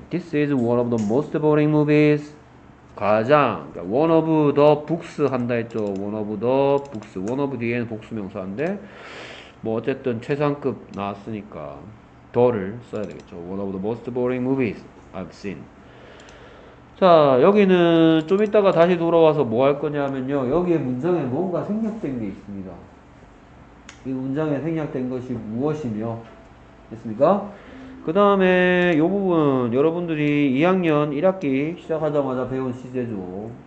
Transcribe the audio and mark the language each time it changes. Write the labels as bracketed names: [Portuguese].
[English] This is one of the most boring movies. [Korean] 가장, [English] one of the books [Korean] 한다 했죠. [English] One of the books. One of [Korean] 뒤에는 복수명사인데 뭐 어쨌든 최상급 나왔으니까. 더를 써야 되겠죠. [English] One of the most boring movies I've seen. [Korean] 자, 여기는 좀 이따가 다시 돌아와서 뭐할 거냐면요. 여기에 문장에 뭔가 생략된 게 있습니다. 이 문장에 생략된 것이 무엇이며? 됐습니까? 그 다음에 이 부분, 여러분들이 2학년 1학기 시작하자마자 배운 시제죠.